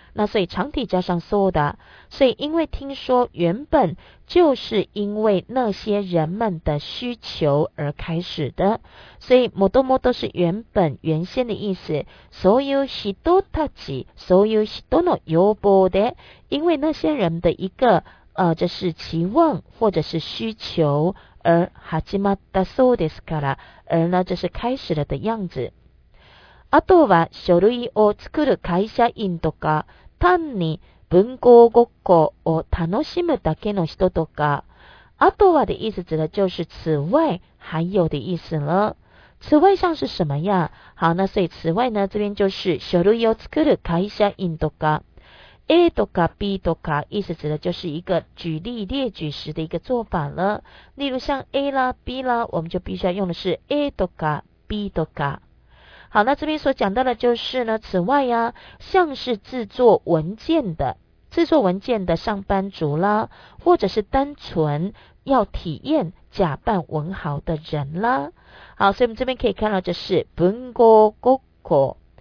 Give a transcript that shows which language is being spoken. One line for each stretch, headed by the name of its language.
Chinese: 那所以长体加上そうだ，所以因为听说，原本就是因为那些人们的需求而开始的。所以もともと是原本原先的意思。所有人たち，
Japanese: 所有人の要望で，
Chinese: 因为那些人的一个这是期望或者是需求。
Japanese: 而始まったそうですから，
Chinese: 而呢，这是开始了的样子。
Japanese: あとは書類を作る会社員とか、単に文豪ごっこを楽しむだけの人とか。
Chinese: あとは的意思指的就是此外还有的意思了。此外像是什么呀？好，那所以此外呢，这边就是
Japanese: 書類を作る会社員とか。
Chinese: A とか B とか意思指的就是一个举例列举时的一个做法了。例如像 A 啦 B 啦，我们就必须要用的是 A とか B とか。好，那这边所讲到的就是呢，此外呀，像是制作文件的上班族啦，或者是单纯要体验假扮文豪的人啦。好，所以我们这边可以看到，这是文豪ごっこ。